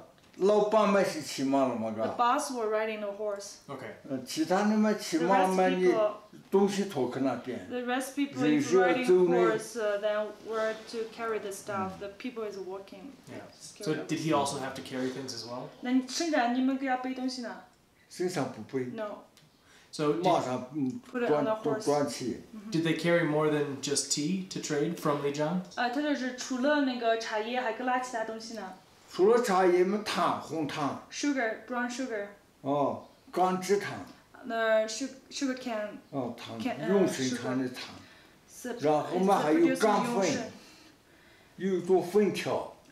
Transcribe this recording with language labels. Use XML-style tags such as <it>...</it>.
<zh>骑马嘛，你骑骑去嘛。当然，那个老板嘛是骑马了嘛，噶。</zh> <en>The boss were riding a horse. Okay.</en> <zh>其他的嘛，骑马嘛，你东西拖去那边。</zh> <en>The rest people is riding horse, then were to carry the stuff. The people is walking. Yeah. So did he also have to carry things as well?</en> <zh>那你身上你们给他背东西呢？身上不背。</zh> <en>No. So put it on the horse. Did they carry more than just tea to trade from Lijiang?</en> <zh>他就是除了那个茶叶，还给拉其他东西呢。除了茶叶，么糖，红糖。</zh> <en>Sugar, brown sugar.</en> <zh>哦，甘蔗糖。</zh> <en>The sugar cane.</en> <zh>哦，糖，用水糖的糖。然后嘛，还有干粉，有做粉条。</zh>